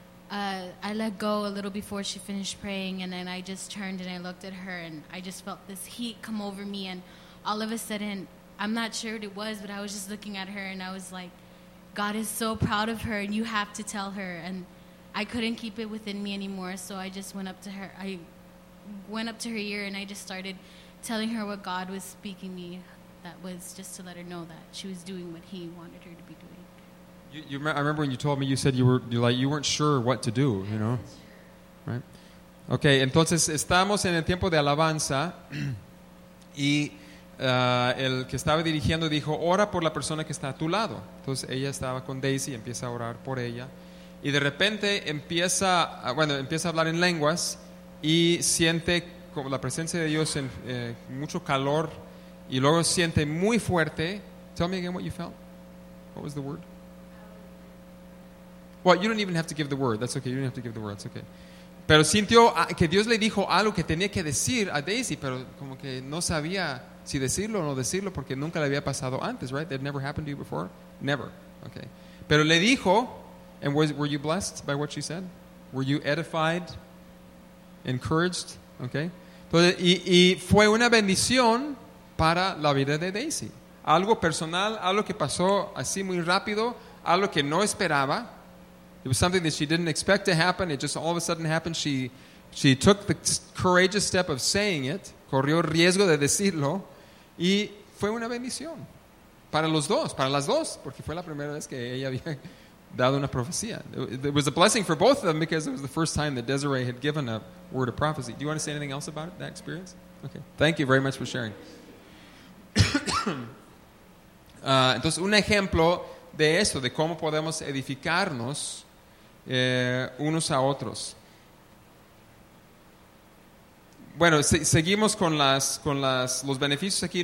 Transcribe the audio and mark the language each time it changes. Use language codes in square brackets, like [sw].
[en] I let go a little before she finished praying, and then I just turned and I looked at her, and I just felt this heat come over me, and all of a sudden, I'm not sure what it was, but I was just looking at her, and I was like, God is so proud of her, and you have to tell her, and I couldn't keep it within me anymore, so I just went up to her ear, and I just started telling her what God was speaking me. That was just to let her know that she was doing what He wanted her to be doing. I remember when you told me, you said you weren't sure what to do, you know, right? [es] Okay, entonces estamos en el tiempo de alabanza, Y el que estaba dirigiendo dijo, ora por la persona que está a tu lado. Entonces ella estaba con Daisy y empieza a orar por ella. Y de repente empieza, bueno, empieza a hablar en lenguas y siente como la presencia de Dios en mucho calor. Y luego siente muy fuerte. [en] Tell me again what you felt. What was the word? Well, you don't even have to give the word. That's okay. You don't have to give the word. That's okay. [es] Pero sintió que Dios le dijo algo que tenía que decir a Daisy, pero como que no sabía si decirlo o no decirlo porque nunca le había pasado antes, right? [en] That never happened to you before? Never. Okay. [es] Pero le dijo, [en] and were you blessed by what she said? Were you edified? Encouraged? Okay. [es] Entonces, y fue una bendición para la vida de Daisy. Algo personal, algo que pasó así muy rápido, algo que no esperaba. [en] It was something that she didn't expect to happen. It just all of a sudden happened. She took the courageous step of saying it. [es] Corrió riesgo de decirlo. Y fue una bendición. Para los dos, para las dos. Porque fue la primera vez que ella había dado una profecía. [en] It was a blessing for both of them because it was the first time that Desiree had given a word of prophecy. Do you want to say anything else about it, that experience? Okay. Thank you very much for sharing. [es] Entonces, un ejemplo de eso, de cómo podemos edificarnos unos a otros. Bueno, seguimos con los beneficios aquí.